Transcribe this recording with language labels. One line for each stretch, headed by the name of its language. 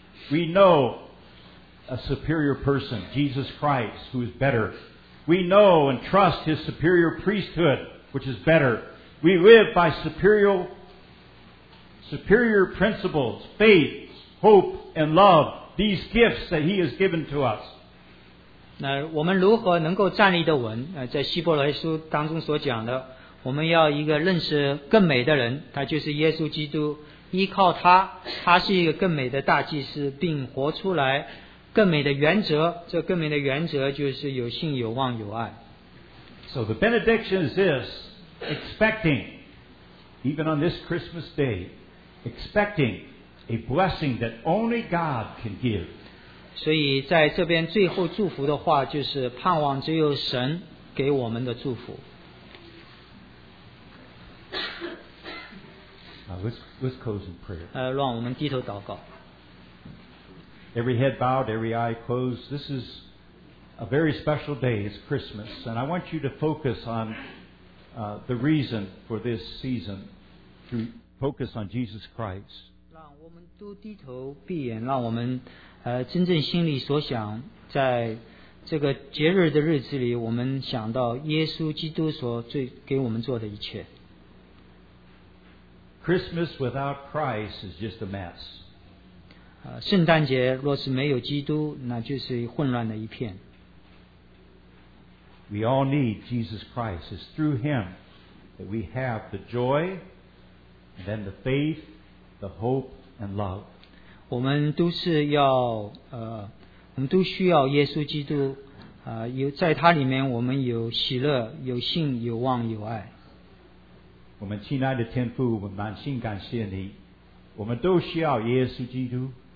English: We know a superior person, Jesus Christ, who is better. We know and trust His superior priesthood, which is better. We live by superior principles, faith, hope, and love, these gifts that He has given to us.
Chinese: 那我们如何能够站立得稳？在希伯来书当中所讲的，我们要一个认识更美的人，他就是耶稣基督。依靠他，他是一个更美的大祭司，并活出来更美的原则。这更美的原则就是有信、有望、有爱。
English: So the benediction is this: expecting, even on this Christmas day, expecting a blessing that only God can give.
Chinese: 所以在这边最后祝福的话，就是盼望只有神给我们的祝福。
English: Let's close in prayer.
Chinese: 让我们低头祷告。
English: Every head bowed, every eye closed. This is a very special day. It's Christmas. And I want you to focus on the reason for this season, to focus on Jesus Christ.
Chinese: 让我们都低头闭眼，让我们真正心里所想，在这个节日的日子里，我们想到耶稣基督所最给我们做的一切。
English: Christmas without Christ is just a mess.
Chinese: 圣诞节若是没有基督，那就是混乱的一片。
English: We all need Jesus Christ. It's through Him that we have the joy, and then the faith, the hope, and love.
Chinese: 我们都是要我们都需要耶稣基督，有在他里面，我们有喜乐，有信，有望，有爱。我们亲爱的天父，我们满心感谢你，我们都需要耶稣基督。